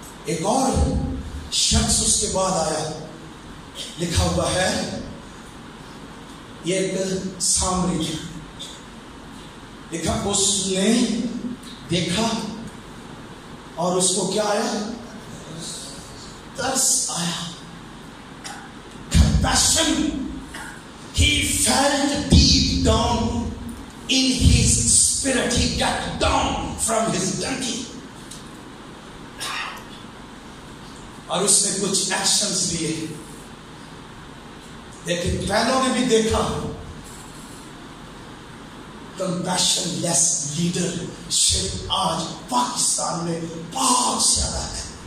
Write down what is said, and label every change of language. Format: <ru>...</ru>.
<hi>एक और शख्स उसके बाद आया, लिखा हुआ है ये सामरी, लिखा उसने देखा और उसको क्या आया, तरस आया, compassion,</hi> <en>He felt deep down in he spirit, he got down from his donkey.</en> <hi>और उसने कुछ actions लिए, लेकिन पहलों ने भी देखा</hi> <en>compassionless leadership</en> <hi>आज पाकिस्तान में बहुत ज्यादा है.</hi>